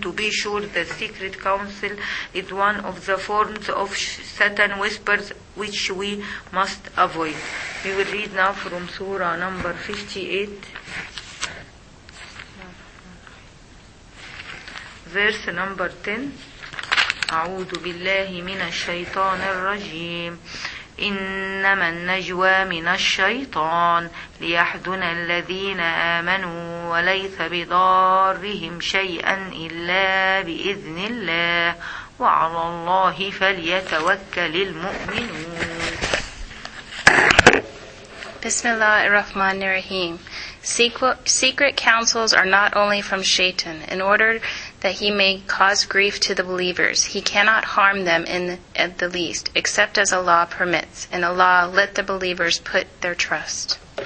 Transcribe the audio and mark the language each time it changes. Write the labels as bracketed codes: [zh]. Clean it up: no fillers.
[en] To be sure, the secret council is one of the forms of Satan whispers which we must avoid. We will read now from Surah number 58, verse number 10. [ar] أعوذ بالله من الشيطان الرجيم إنما النجوى من الشيطان ليحزن الذين آمنوا وليس بضارهم شيئا إلا بإذن الله وعلى الله فليتوكل المؤمنون. بسم الله الرحمن الرحيم. [en] Secret counsels are not only from Shaitan. In order that he may cause grief to the believers, he cannot harm them in the least, except as Allah permits. In Allah, let the believers put their trust.